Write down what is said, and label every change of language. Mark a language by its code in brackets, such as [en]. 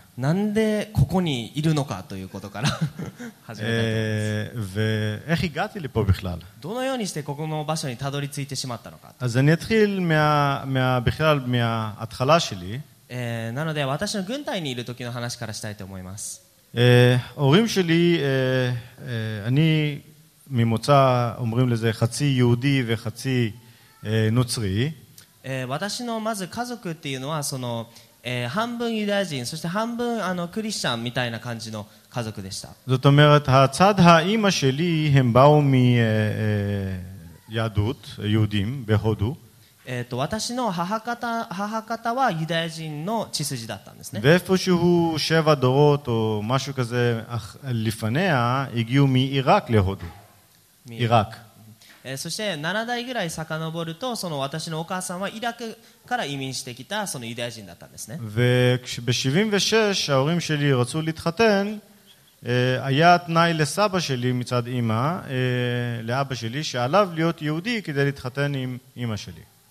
[ja] なんでここにいるのかということから始めたいと思います。 [he] ואיך הגעתי לפה בכלל? [ja] どのようにしてここの場所にたどり着いてしまったのか? [he] אז אני אתחיל בכלל מההתחלה שלי. [ja] なので私の軍隊にいる時の話からしたいと思います。 [he] הורים שלי, אני ממוצא אומרים לזה חצי יהודי וחצי נוצרי. [ja] 私のまず家族っていうのはその半分ユダヤ人そして半分あのクリスチャンみたいな感じの家族でした。 [he] זאת אומרת הצד האמא שלי הם באו מיהדות יהודים בהודו. [ja] 私の母方はユダヤ人の血筋だったんですね。 [he] ואיפשהו שבע דורות או משהו כזה לפניה הגיעו מעיראק להודו. עיראק. [ja] そして7代ぐらい遡るとその私のお母さんはイラクから移民してきたそのユダヤ人だったんですね。 [he] ב-76 ההורים שלי רצו להתחתן, היה תנאי לסבא שלי מצד אמא, לאבא שלי שעליו להיות יהודי כדי להתחתן עם אמא שלי.